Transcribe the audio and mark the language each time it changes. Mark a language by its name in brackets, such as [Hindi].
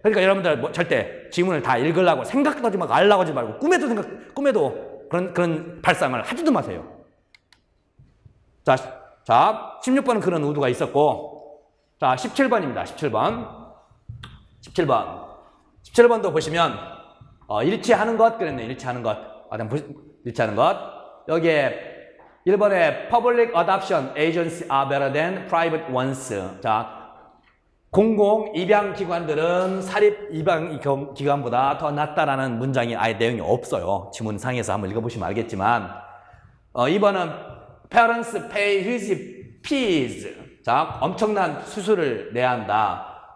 [Korean] 그러니까 여러분들 뭐 절대 지문을 다 읽으려고 생각도 하지 말고 알려고 하지 말고 꿈에도 그런 발상을 하지도 마세요. 자, 16번은 그런 우두가 있었고. 자, 17번입니다. 17번. 17번도 보시면, 일치하는 것 그랬네. 일치하는 것. 일치하는 것. 여기에 1번에 [English] public adoption agencies are better than private ones. [Korean] 자, 공공 입양 기관들은 사립 입양 기관보다 더 낫다라는 문장이 아예 내용이 없어요. 지문상에서 한번 읽어보시면 알겠지만. 2번은 [English] parents pay huge fees. [Korean] 자, 엄청난 수수를 내야 한다.